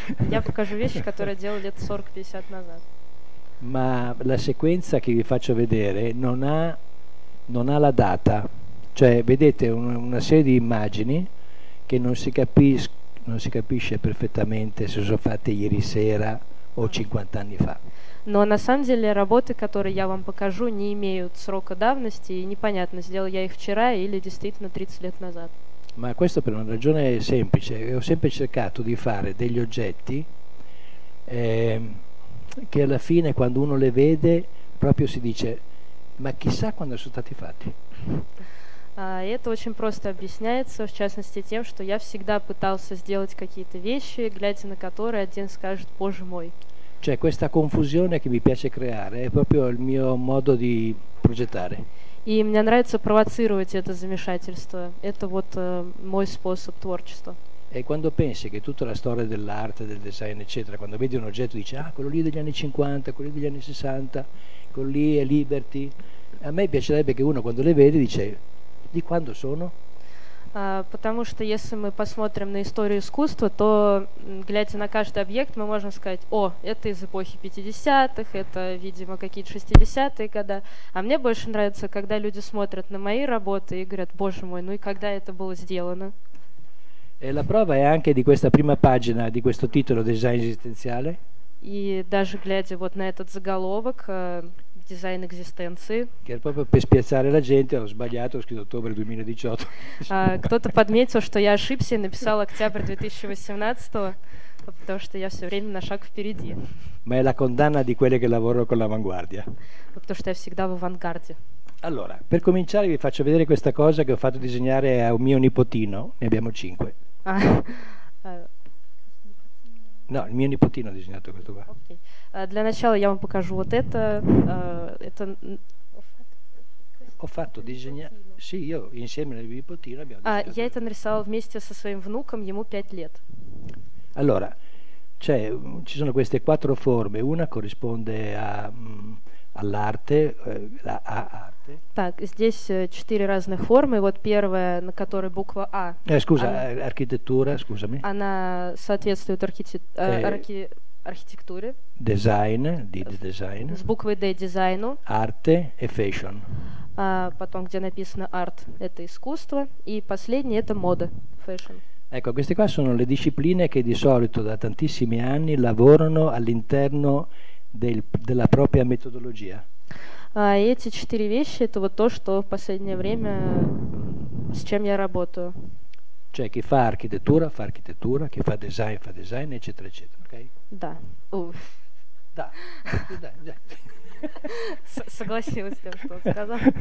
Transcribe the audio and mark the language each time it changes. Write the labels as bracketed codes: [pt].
[ru] Я покажу вещи, которые делал лет 40-50 назад. [it] Ma la sequenza che vi faccio vedere non ha la data. Cioè, vedete una serie di immagini che non si capisce perfettamente se sono fatte ieri sera o 50 anni fa. [ru] Но на самом деле работы, которые я вам покажу, не имеют срока давности и непонятно, сделал я их вчера или действительно 30 лет назад. [it] Ma questo per una ragione semplice, ho sempre cercato di fare degli oggetti che alla fine quando uno le vede proprio si dice ma chissà quando sono stati fatti. [ru] Это очень просто объясняется, в частности тем, что я всегда пытался сделать какие-то вещи, глядя на которые один скажет «Боже мой». [it] Cioè questa confusione che mi piace creare è proprio il mio modo di progettare. [ru] И мне нравится провоцировать это замешательство. Это вот мой способ творчества. [it] E quando pensi che tutta la storia dell'arte, del design, eccetera, quando vedi un oggetto dici ah, quello lì degli anni 50, quello lì degli anni 60, quello lì è Liberty. A me piacerebbe che uno quando le vede dice di quando sono? [ru] Потому что если мы посмотрим на историю искусства, то глядя на каждый объект, мы можем сказать, о, это из эпохи 50-х, это, видимо, какие-то 60-е годы. А мне больше нравится, когда люди смотрят на мои работы и говорят, боже мой, ну и когда это было сделано. [it] E la prova è anche di questa prima pagina, di questo titolo, Design Esistenziale. [ru] И даже глядя вот на этот заголовок, дизайн экзистенции. Кто-то подметил, что я ошибся и написал октябрь 2018-го, потому что я все время на шаг впереди. [it] Ma è la condanna di quelli che lavorano con l'avanguardia. [ru] Потому что я всегда в авангарде. [it] Allora, per cominciare vi faccio vedere questa cosa che ho fatto disegnare a un mio nipotino, ne abbiamo cinque. No, il mio nipotino ha disegnato questo qua. [ru] Для начала я вам покажу вот это. Это... [it] Ho fatto disegnare... Sì, io insieme al mio nipotino abbiamo disegnato. [ru] Я это нарисовал вместе со своим внуком, ему 5 лет. [it] Allora, cioè, ci sono queste quattro forme. Una corrisponde a, all'arte, la A arte. [ru] Так, здесь четыре разных формы. Вот первая, на которой буква А. [it] Scusa, [ru] она, архитектура, [it] scusami. [ru] Она соответствует архитектуре. [it] Design, design. [ru] С буквой D дизайну. [it] Arte e fashion. [ru] А потом, где написано art, это искусство. И последнее, это мода, fashion. [it] Ecco, queste qua sono le discipline che di solito da tantissimi anni lavorano all'interno della propria metodologia. [ru] Эти четыре вещи это вот то, что в последнее время с чем я работаю. [it] Cioè chi fa architettura fa architettura, chi fa design, eccetera, eccetera, ok? [ru] Да. Да. Согласилась с тем, что он сказал.